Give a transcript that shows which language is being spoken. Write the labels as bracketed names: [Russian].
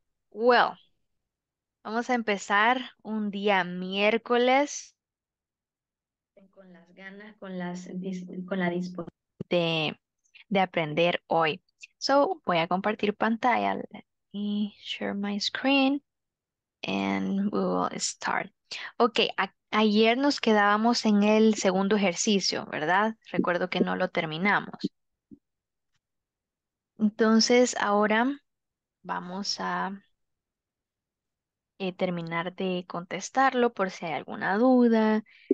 [Spanish] Well, vamos a empezar un día miércoles con las ganas, con la disposición de aprender hoy. So, voy a compartir pantalla. [English] Let me share my screen and we will start. [Spanish] Ok, ayer nos quedábamos en el segundo ejercicio, ¿verdad? Recuerdo que no lo terminamos. Entonces, ahora vamos a terminar de contestarlo por si hay alguna duda.